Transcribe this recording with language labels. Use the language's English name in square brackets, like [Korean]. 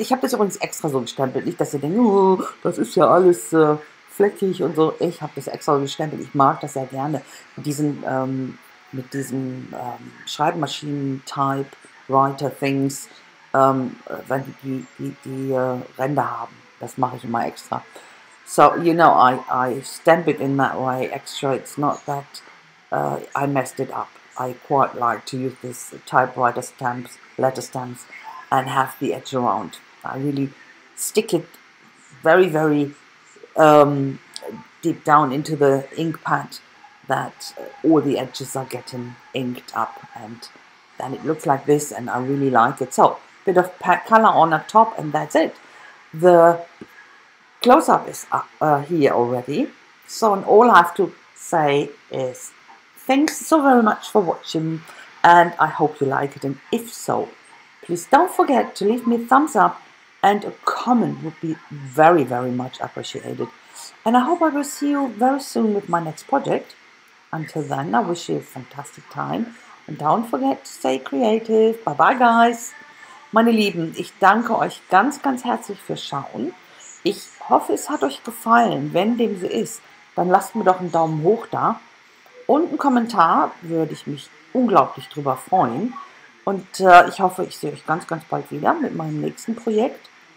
[German] Ich habe das übrigens extra so gestempelt. Nicht, dass ihr denkt, oh, das ist ja alles fleckig und so. Ich habe das extra so gestempelt. Ich mag das sehr gerne. Mit diesem Schreibmaschinen-Type, Writer-Things, wenn die Ränder haben. Das mache ich immer extra. [English] So, you know, I stamp it in that way extra. It's not that I messed it up. I quite like to use this typewriter stamps, letter stamps, and have the edge around. I really stick it very, very deep down into the ink pad that all the edges are getting inked up, and then it looks like this, and I really like it. So, bit of pat color on the top, and that's it. The close-up is here already. So, and all I have to say is, thanks so very much for watching, and I hope you like it. And if so, please don't forget to leave me a thumbs up, and a comment would be very, very much appreciated. And I hope I will see you very soon with my next project. Until then, I wish you a fantastic time, and don't forget to stay creative. Bye bye, guys. [German] Meine Lieben, ich danke euch ganz, ganz herzlich fürs Schauen. Ich hoffe, es hat euch gefallen. Wenn dem so ist, dann lasst mir doch einen Daumen hoch da. Und einen Kommentar, würde ich mich unglaublich drüber freuen. Und ich hoffe, ich sehe euch ganz, ganz bald wieder mit meinem nächsten Projekt.